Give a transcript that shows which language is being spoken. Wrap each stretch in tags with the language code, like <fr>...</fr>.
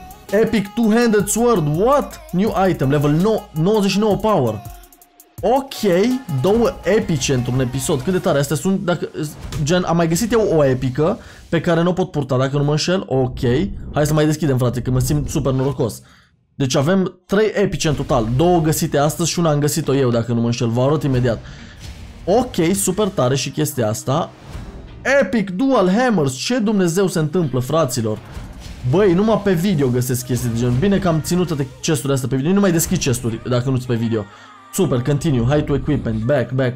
<en>Epic two-handed sword, what? New item, level 99 power.</en> <ro>Ok, două epice într-un episod, cât de tare, astea sunt, dacă, gen, am mai găsit eu o epică pe care nu o pot purta, dacă nu mă înșel, ok, hai să mai deschidem, frate, că mă simt super norocos. Deci avem trei epice în total, două găsite astăzi și una am găsit-o eu, dacă nu mă înșel, vă arăt imediat. Ok, super tare și chestia asta, epic dual hammers, ce Dumnezeu se întâmplă, fraților? Băi, numai pe video găsesc chestii de gen, bine că am ținut toate chesturile astea pe video, nu mai deschid chesturi dacă nu-ți pe video.</ro> <en>Super, continue, hai to equipment, back.</en>